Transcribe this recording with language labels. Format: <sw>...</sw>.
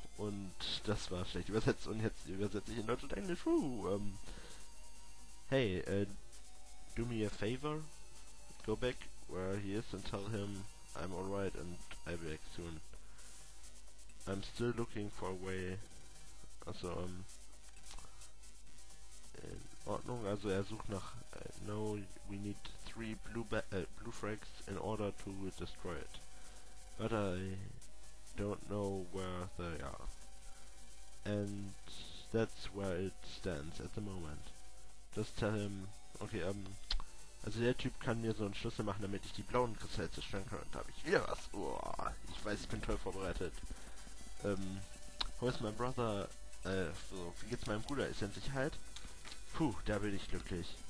<de>Und das war schlecht übersetzt und jetzt übersetze ich in Deutsch und Englisch.</de> <en>Hey, do me a favor. Go back where he is and tell him I'm alright and I'll be back soon. I'm still looking for a way.</en> <de>Also, in Ordnung, also er sucht nach</de> <en>no, we need 3 blue frags in order to destroy it. But I don't know where they are. And that's where it stands at the moment. Just tell him.</en> <de>Okay, also der Typ kann mir so einen Schlüssel machen, damit ich die blauen Kristalle zerstören kann. Und da habe ich wieder was. Uah, ich weiß, ich bin toll vorbereitet. Wo ist mein Bruder? Wie geht's meinem Bruder? Ist er in Sicherheit? Puh, da bin ich glücklich.</de>